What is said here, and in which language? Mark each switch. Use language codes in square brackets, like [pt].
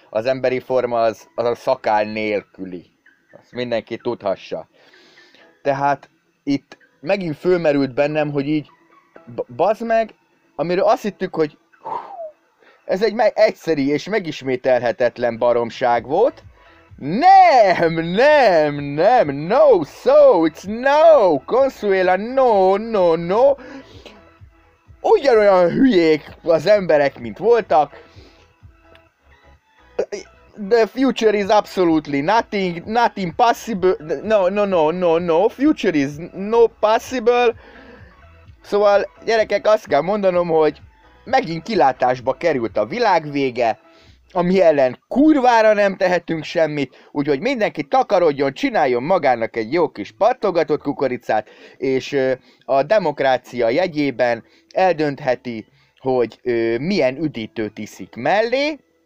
[hu] Az emberi forma az a szakáll nélküli. Azt mindenki tudhassa. Tehát itt megint fölmerült bennem, hogy így bazd meg, amiről azt hittük, hogy ez egy egyszeri és megismételhetetlen baromság volt. Nem, [en] no, so, it's no, Consuela, no. [hu] Ugyanolyan hülyék az emberek, mint voltak. [en] The future is absolutely nothing possible, no, future is no possible. [hu] Szóval, gyerekek, azt kell mondanom, hogy megint kilátásba került a világ vége, ami ellen kurvára nem tehetünk semmit, úgyhogy mindenki takarodjon, csináljon magának egy jó kis pattogatott kukoricát, és a demokrácia jegyében eldöntheti, hogy milyen üdítőt iszik mellé.